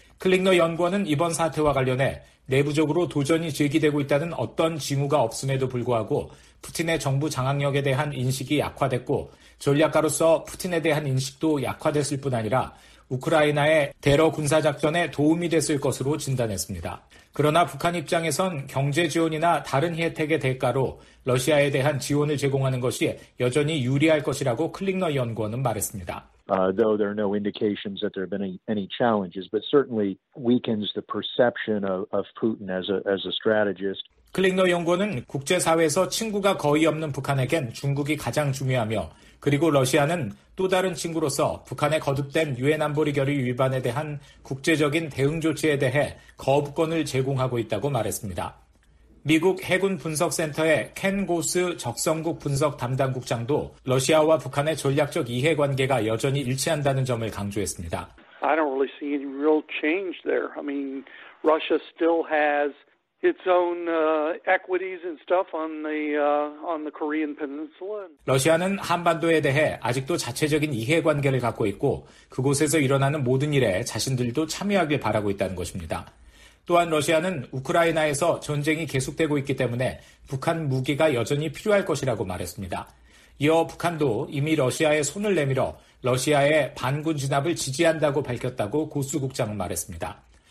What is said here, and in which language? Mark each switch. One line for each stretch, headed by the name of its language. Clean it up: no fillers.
Korean: 클링너 연구원은 이번 사태와 관련해 내부적으로 도전이 제기되고 있다는 어떤 징후가 없음에도 불구하고 푸틴의 정부 장악력에 대한 인식이 약화됐고 전략가로서 푸틴에 대한 인식도 약화됐을 뿐 아니라 우크라이나의 대러 군사작전에 도움이 됐을 것으로 진단했습니다. 그러나 북한 입장에선 경제 지원이나 다른 혜택의 대가로 러시아에 대한 지원을 제공하는 것이 여전히 유리할 것이라고 클링너 연구원은 말했습니다.
English: Though there are no indications that there have been any challenges, but certainly weakens the perception of Putin as a strategist.
Korean: 클링너 연구원은 국제사회에서 친구가 거의 없는 북한에겐 중국이 가장 중요하며 그리고 러시아는 또 다른 친구로서 북한의 거듭된 유엔 안보리 결의 위반에 대한 국제적인 대응 조치에 대해 거부권을 제공하고 있다고 말했습니다. 미국 해군 분석센터의 켄 고스 적성국 분석 담당 국장도 러시아와 북한의 전략적 이해 관계가 여전히 일치한다는 점을 강조했습니다.
English: I don't really see any real change there. I mean, Russia still has its own equities and stuff on the Korean Peninsula.
Korean: 러시아는 한반도에 대해 아직도 자체적인 이해 관계를 갖고 있고 그곳에서 일어나는 모든 일에 자신들도 참여하길 바라고 있다는 것입니다. 또한 러시아는 우크라이나에서 전쟁이 계속되고 있기 때문에 북한 무기가 여전히 필요할 것이라고 말했습니다. 이어 북한도 이미 러시아에 손을 내밀어 러시아의 반군 진압을 지지한다고 밝혔다고 고스 국장은 말했습니다.